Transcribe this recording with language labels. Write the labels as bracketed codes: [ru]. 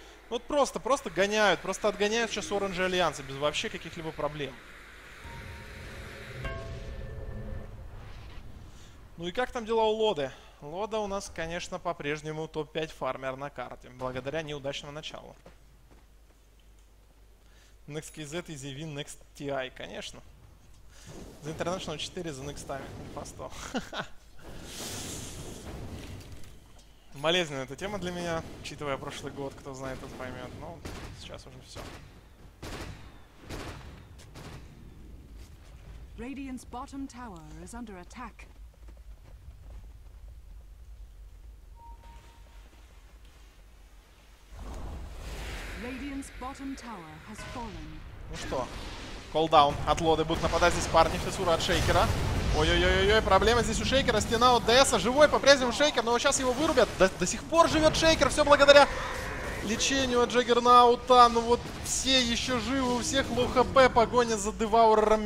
[ru] Вот просто гоняют. Просто отгоняют сейчас Оранжи Альянса без вообще каких-либо проблем. Ну и как там дела у Лоды? Лода у нас, конечно, по-прежнему топ-5 фармер на карте, благодаря неудачному началу. NextKZ и ZVN NextTI, конечно. За International 4, за Next'ами, не по 100. Болезненная эта тема для меня, учитывая прошлый год, кто знает, тот поймет. Но сейчас уже все. [en] Radiant's bottom tower is under attack. Radiant's bottom tower has fallen. [ru] Ну что, колдаун от Лоды. Будут нападать здесь парни. Фессура от Шейкера. Ой-ой-ой-ой, проблема здесь у Шейкера. Стена от ДС-а. Живой по-прежнему Шейкер, но сейчас его вырубят. До сих пор живет Шейкер. Все благодаря лечению от Джаггернаута. Ну вот все еще живы. У всех лоу хп. Погоня за Деваурером.